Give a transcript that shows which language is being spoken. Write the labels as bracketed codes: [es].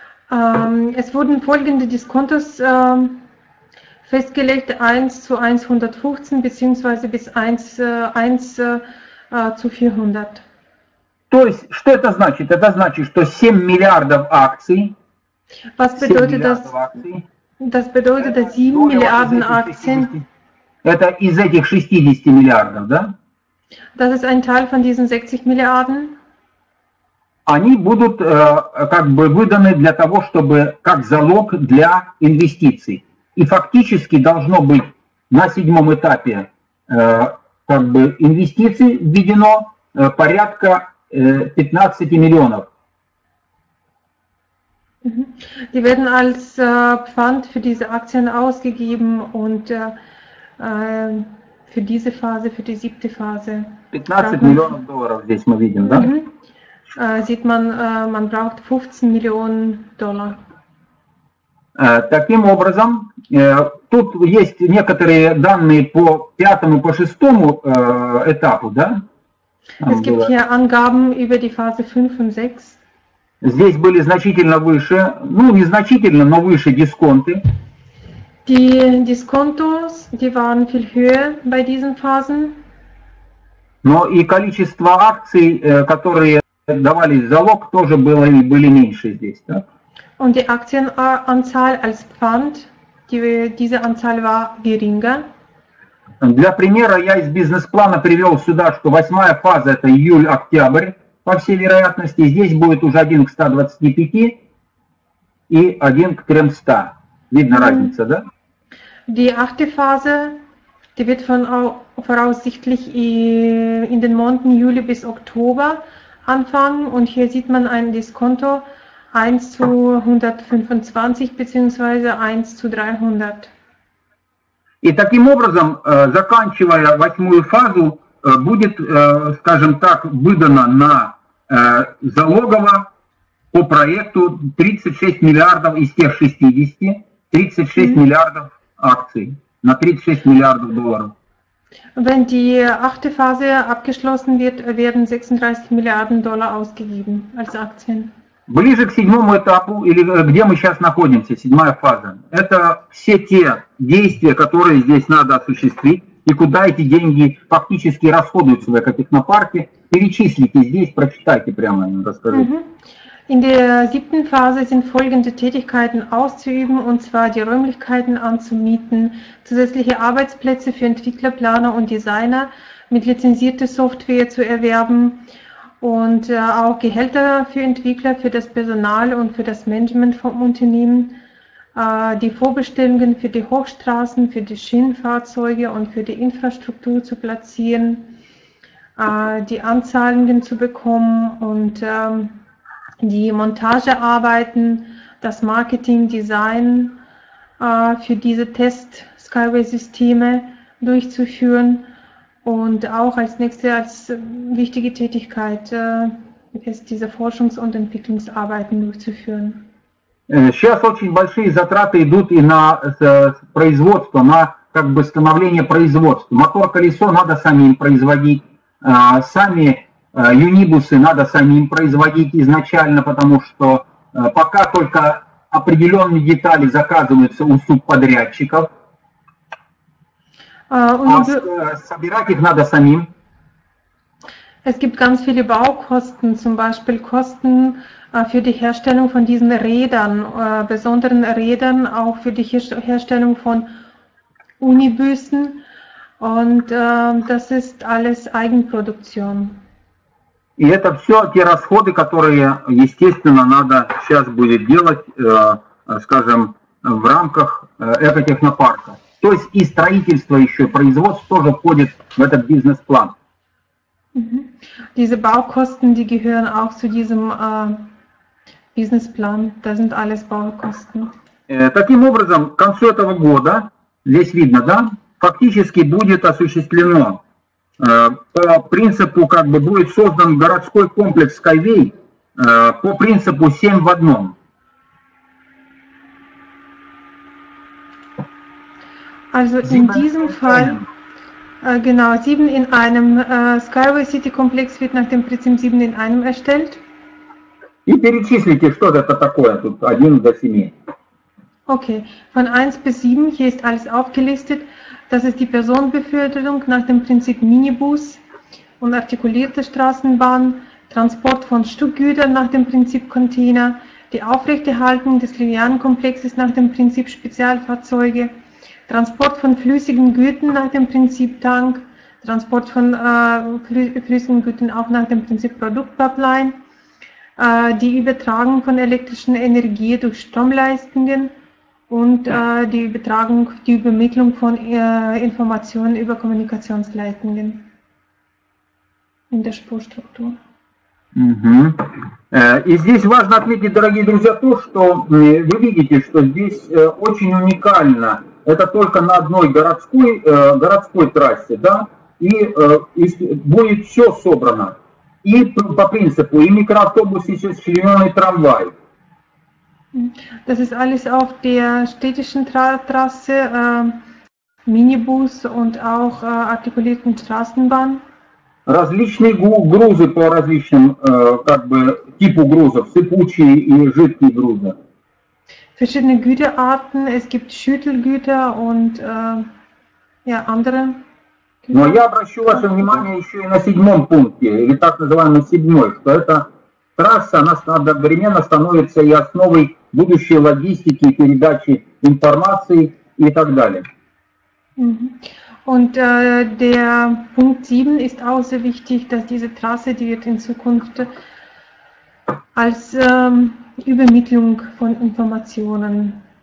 [de] Es wurden folgende Diskontos festgelegt, 1:115 beziehungsweise bis 1:400. [ru] То есть, что это значит? Это значит, что 7 миллиардов акций [de] Was bedeutet das? Das bedeutet 7 Milliarden Aktien. [ru] Это из этих 60 миллиардов, да? [de] Das ist ein Teil von diesen 60 Milliarden. [ru] Они будут как бы выданы для того, чтобы как залог для инвестиций. И фактически должно быть на 7-м этапе как бы инвестиций введено порядка 15 миллионов. [de] Die werden als Pfand für diese Aktien ausgegeben und für diese Phase, für die siebte Phase. 15 Millionen Dollar, das wir sehen, da? Sieht man, man braucht 15 Millionen Dollar. [ru] Таким образом, тут есть некоторые данные по пятому, по шестому этапу, да? [de] Es gibt hier Angaben über die Phase 5 und 6. [ru] Здесь были значительно выше, ну, незначительно, но выше дисконты. [de] Die Diskontos, die waren viel höher bei diesen Phasen. [ru] Но и количество акций, которые давались в залог, тоже было, были меньше здесь. Да? [de] Und die Aktienanzahl als Pfand, diese Anzahl war geringer. [ru] Для примера я из бизнес-плана привел сюда, что восьмая фаза – это июль-октябрь. По всей вероятности, здесь будет уже 1 к 125 и 1 к 300. Видно разница, да? [de] Die achte Phase, die wird von voraussichtlich in den Monaten Juli bis Oktober anfangen. Und hier sieht man ein Diskonto 1 zu 125 bzw. 1 zu 300. [ru] И таким образом, заканчивая восьмую фазу, будет, скажем так, выдано на залогово по проекту 36 миллиардов из тех 60, 36 mm-hmm. миллиардов акций на 36 миллиардов долларов. [de] Wenn die achte Phase abgeschlossen wird, werden 36 Milliarden Dollar ausgegeben als Aktien. [ru] Ближе к седьмому этапу, или где мы сейчас находимся, седьмая фаза, это все те действия, которые здесь надо осуществить, и куда эти деньги фактически расходуются в экотехнопарке, перечислите здесь, прочитайте прямо, расскажу. [de] In der siebten Phase sind folgende Tätigkeiten auszuüben, und zwar die Räumlichkeiten anzumieten, zusätzliche Arbeitsplätze für Entwickler, Planer und Designer mit lizenzierter Software zu erwerben, und auch Gehälter für Entwickler, für das Personal und für das Management vom Unternehmen, die Vorbestellungen für die Hochstraßen, für die Schienenfahrzeuge und für die Infrastruktur zu platzieren, die Anzahlungen zu bekommen und die Montagearbeiten, das Marketing, Design für diese Test-Skyway-Systeme durchzuführen. Und auch als nächste, als wichtige Tätigkeit ist diese Forschungs- und Entwicklungsarbeiten durchzuführen. [ru] Сейчас очень большие затраты идут и на производство, на как бы становление производства. Мотор, колесо надо самим производить, сами юнибусы надо самим производить изначально, потому что пока только определенные детали заказываются у субподрядчиков. Собирать их надо самим. [de] Es gibt ganz viele Baukosten, zum Beispiel Kosten für die Herstellung von diesen Rädern, besonderen Rädern, auch für die Herstellung von Unibüssen. Und das ist alles Eigenproduktion. [ru] И это все те расходы, которые, естественно, надо сейчас будет делать, скажем, в рамках экотехнопарка. То есть и строительство еще, производство тоже входит в этот бизнес-план. [de] Diese Baukosten, die gehören auch zu diesem Businessplan. Das sind alles Baukosten. [ru] Таким образом, к концу этого года, здесь видно, да, фактически будет осуществлено по принципу, как бы будет создан городской комплекс Skyway по принципу 7 в 1. [de] Also in diesem Fall, genau, 7 in 1. Skyway City Complex wird nach dem Prinzip 7 in 1 erstellt. [ru] И перечислите, что это такое, тут 1 до 7. [de] Okay, von 1 bis 7, hier ist alles aufgelistet. Das ist die Personenbeförderung nach dem Prinzip Minibus und artikulierte Straßenbahn, Transport von Stückgütern nach dem Prinzip Container, die Aufrechterhaltung des Livianenkomplexes nach dem Prinzip Spezialfahrzeuge, Transport von flüssigen Gütern nach dem Prinzip Tank, Transport von flüssigen Gütern auch nach dem Prinzip Produktpipeline, die Übertragung von elektrischer Energie durch Stromleistungen und die Übertragung, die Übermittlung von Informationen über Kommunikationsleitungen in der Spurstruktur. [ru] И здесь важно отметить, дорогие друзья, то, что вы видите, что здесь очень уникально. Это только на одной городской трассе, да, и будет все собрано. И по принципу, и микроавтобус, и членовый трамвай. [de] Das ist alles auf der städtischen Trasse, Minibus und auch artikulierten Straßenbahn. [ru] Различные грузы по различным, как бы, типу грузов, сыпучие и жидкие грузы. [de] Verschiedene Güterarten, es gibt Schüttelgüter und andere. [ru] Но я обращу ваше внимание еще и на седьмом пункте, или так называемый седьмой, что эта трасса, она одновременно становится и основой будущей логистики, передачи информации и так далее. [de] Und der Punkt 7 ist auch sehr wichtig, dass diese Trasse, die wird in Zukunft als Übermittlung von Informationen